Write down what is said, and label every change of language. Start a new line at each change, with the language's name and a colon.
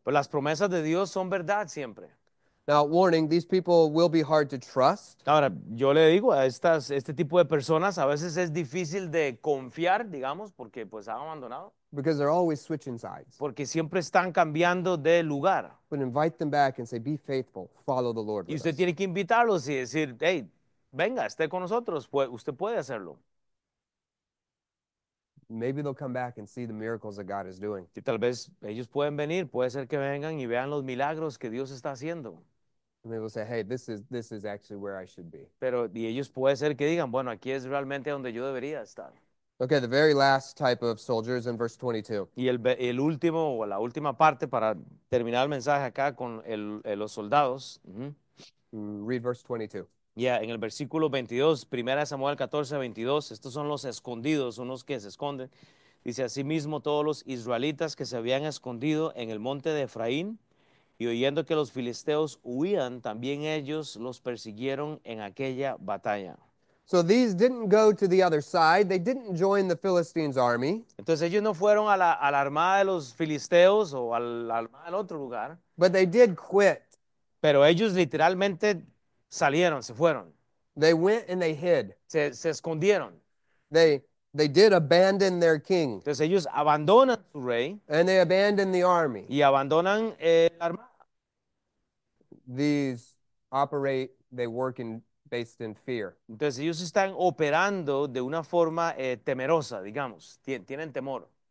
Spanish: Pero las promesas de Dios son verdad siempre.
English: Now, warning, these people will be hard to trust.
Spanish: Ahora, yo le digo a este tipo de personas, a veces es difícil de confiar, digamos, porque pues han abandonado.
English: Because they're always switching sides.
Spanish: Porque siempre están cambiando de lugar.
English: But invite them back and say, be faithful, follow the Lord
Spanish: Y
English: with
Spanish: usted
English: us.
Spanish: tiene que invitarlos y decir, hey, venga, esté con nosotros, pues usted puede hacerlo.
English: Maybe they'll come back and see the miracles that God is doing.
Spanish: Y tal vez ellos pueden venir, puede ser que vengan y vean los milagros que Dios está haciendo.
English: And they will say, hey, this is actually where I should be.
Spanish: Pero y ellos puede ser que digan, bueno, aquí es realmente donde yo debería estar.
English: Okay, the very last type of soldiers in verse 22.
Spanish: Y el último o la última parte para terminar el mensaje acá con los soldados.
English: Read verse 22.
Spanish: En el versículo 22, 1 Samuel 14, 22, estos son los escondidos, unos que se esconden. Dice, asimismo, todos los israelitas que se habían escondido en el monte de Efraín y oyendo que los filisteos huían, también ellos los persiguieron en aquella batalla.
English: So these didn't go to the other side. They didn't join the Philistines' army.
Spanish: Entonces ellos no fueron a la armada de los filisteos o a la armada del otro lugar,
English: But they did quit.
Spanish: pero ellos literalmente salieron, se fueron,
English: They went and they hid.
Spanish: se escondieron.
English: They did abandon their king.
Spanish: Entonces ellos abandonan su rey
English: And they abandoned the army.
Spanish: y abandonan la armada.
English: These operate, they work in. Based in fear.
Spanish: Entonces ellos están operando de una forma temerosa, digamos, tienen temor.